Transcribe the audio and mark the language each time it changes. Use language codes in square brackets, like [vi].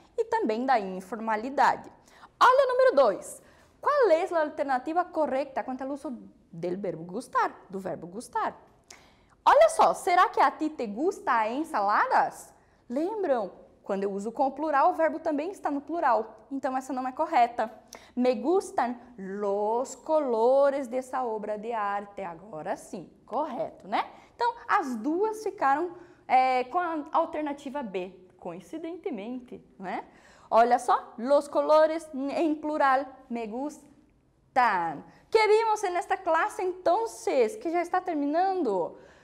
[pt] E também da informalidade. Olha o número 2. Qual é a alternativa correta quanto ao uso do verbo gustar? Do verbo gustar. Olha só, [es] será que a ti te gusta ensaladas? [pt] Lembram? Quando eu uso com o plural, o verbo também está no plural. Então, essa não é correta. [es] Me gustan los colores [pt] dessa obra de arte. Agora sim, correto, né? Então, as duas ficaram com a alternativa B. Coincidentemente, né? Olha só, los colores em plural, me gustan. Que vimos nesta classe, então, que já está terminando?